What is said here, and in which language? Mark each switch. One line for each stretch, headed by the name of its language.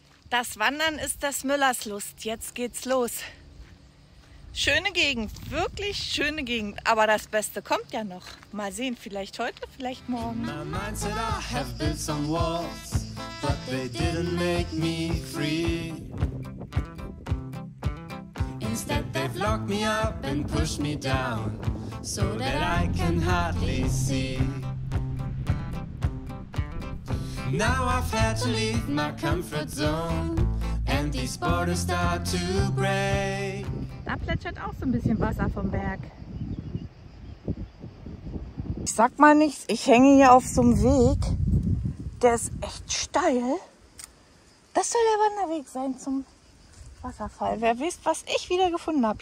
German: Das Wandern ist des Müllers Lust. Jetzt geht's los. Schöne Gegend, wirklich schöne Gegend. Aber das Beste kommt ja noch. Mal sehen, vielleicht heute, vielleicht morgen.
English: My mind said I have built some walls, but they didn't make me free. Instead they've locked me up and pushed me down, so that I can hardly see. Now I've had to leave my comfort zone, and these borders start to break.
German: Da plätschert auch so ein bisschen Wasser vom Berg. Ich sag mal nichts, ich hänge hier auf so einem Weg, der ist echt steil. Das soll der Wanderweg sein zum Wasserfall. Wer weiß, was ich wieder gefunden habe.